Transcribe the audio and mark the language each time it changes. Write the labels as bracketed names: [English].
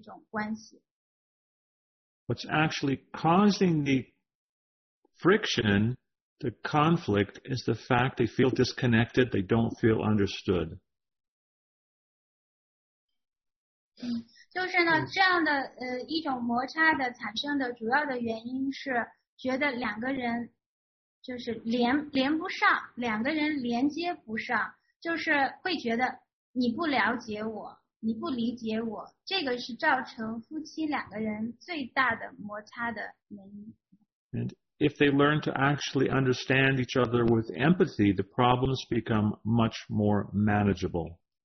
[Chinese] 其实有一些研究者他们早就已经做了大量的研究，这个表明其实夫妻之间的这个大量的这种隔阂，这种问题，其实跟金钱没有关，跟这个公公婆婆、什么丈母娘、岳父岳母这个都没有什么关系，跟孩子也没有什么样的关，也没有太大的这种关系。 [English] What's actually causing the friction? The conflict is the fact they feel disconnected, they don't feel understood. [Chinese] 就是呢，这样的一种摩擦的产生的主要的原因是觉得两个人就是连不上，两个人连接不上，就是会觉得你不了解我，你不理解我，这个是造成夫妻两个人最大的摩擦的原因。 [English] If they learn to actually understand each other with empathy, the problems become much more manageable.